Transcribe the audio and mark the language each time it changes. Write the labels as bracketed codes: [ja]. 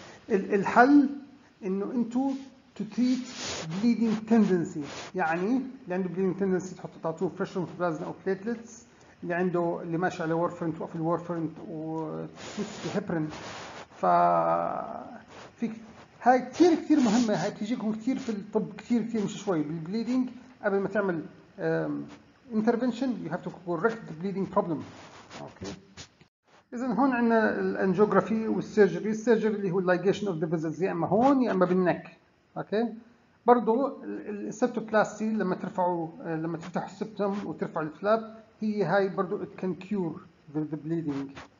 [ar] الحل انه انتو تو تريت بليدنج تندنسي، يعني اللي عنده بليدنج تندنسي تحطوا تعطوه فريشن بلازما او بليتلتس، اللي عنده اللي ماشي على وارفرين توقف الوارفرين والهيبرين. ففيك هاي كثير كثير مهمه، هاي تجيكم كثير في الطب، كثير كثير مش شوي بالبليدنج. قبل ما تعمل [en] intervention you have to correct the bleeding problem. Okay. [ar] إذن هون عندنا الانجيوغرافي والسيرجري. السيرجري اللي هو ligation of the vessels، يا اما هون يا اما بالنك. اوكي. برضه السبتوبلاستي لما ترفعوا لما تفتحوا السبتوم وترفع الفلاب، هي هاي برضه [en] it can cure the bleeding.